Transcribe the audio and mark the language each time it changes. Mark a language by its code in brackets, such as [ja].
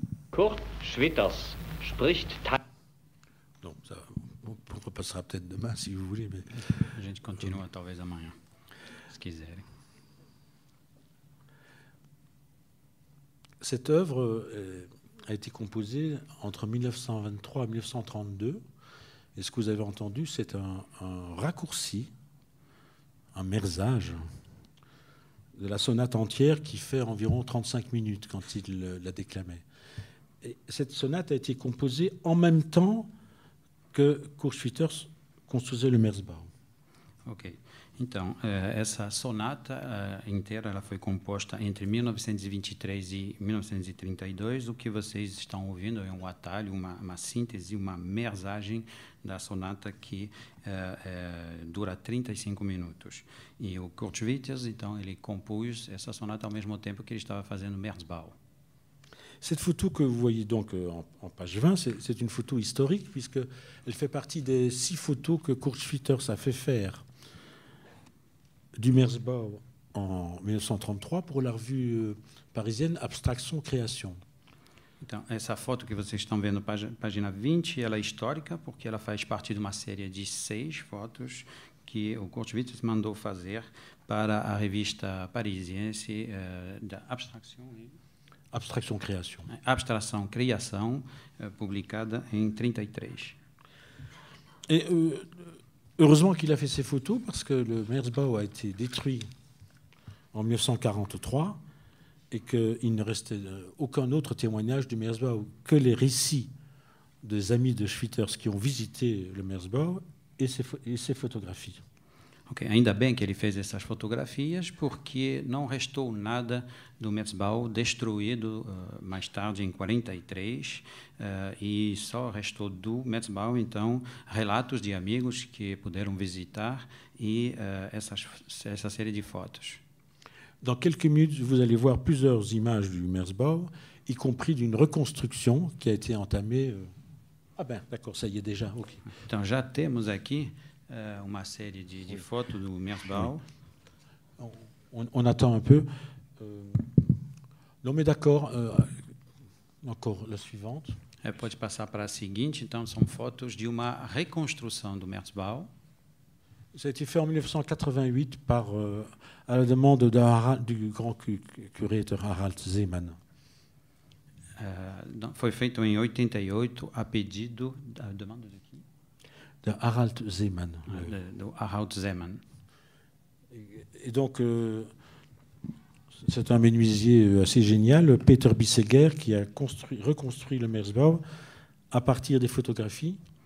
[de] Kurt Schwitters spricht. [fr] Donc, ça, on repassera peut-être demain si vous voulez. Mais... [pt] A gente continua, talvez amanhã, se quiserem. [fr] Cette œuvre a été composée entre 1923 et 1932. Et ce que vous avez entendu, c'est un raccourci, un merzage de la sonate entière qui fait environ 35 minutes quand il la déclamait. Et cette sonate a été composée en même temps que Kurt Schwitters construisait le Merzbau. Ok. [pt] Então, essa sonata inteira ela foi composta entre 1923 e 1932. O que vocês estão ouvindo é um atalho, uma síntese, uma mersagem da sonata que dura 35 minutos. E o Kurt Witters, então, ele compôs essa sonata ao mesmo tempo que ele estava fazendo Merzbau. [fr] Cette photo que vous voyez donc en page 20, c'est une photo historique puisque elle fait partie des 6 photos que Kurt Schwitters a fait faire du Merzbau en 1933 pour la revue parisienne Abstraction Création. [pt] Então, essa foto que vocês estão vendo, página 20, ela é histórica porque ela faz parte de uma série de 6 fotos que o Kurt Schwitters mandou fazer para a revista parisiense da Abstraction. [fr] Abstraction Création. Abstraction Création, publiée en 1933. Et heureusement qu'il a fait ces photos, parce que le Merzbau a été détruit en 1943 et qu'il ne restait aucun autre témoignage du Merzbau que les récits des amis de Schwitters qui ont visité le Merzbau et ses photographies. Okay. [pt] Ainda bem que ele fez essas fotografias, porque não restou nada do Merzbau destruído mais tarde, em 1943, e só restou do Merzbau, então, relatos de amigos que puderam visitar e essa série de fotos. [fr] Dans quelques minutes, vous allez voir plusieurs images du Merzbau, y compris d'une reconstruction qui a été entamée. Ah, ben, d'accord, ça y est déjà. Okay. [pt] Então, já temos aqui uma série de fotos do Merzbau. [fr] On attend un peu. Non, mais d'accord. Encore la suivante. [pt] Pode passar para a seguinte. Então, são fotos de uma reconstrução do Merzbau. [fr] Ça a été fait en 1988 par, à la demande de Harald, du grand curateur Harald Zeman. [pt] Foi feito em 88 a pedido da demanda de de Harald Zeman. De Harald Zeman. [fr] Et donc, c'est un menuisier assez génial, Peter Bisseger, qui a reconstruit le Merzbau à partir des photographies.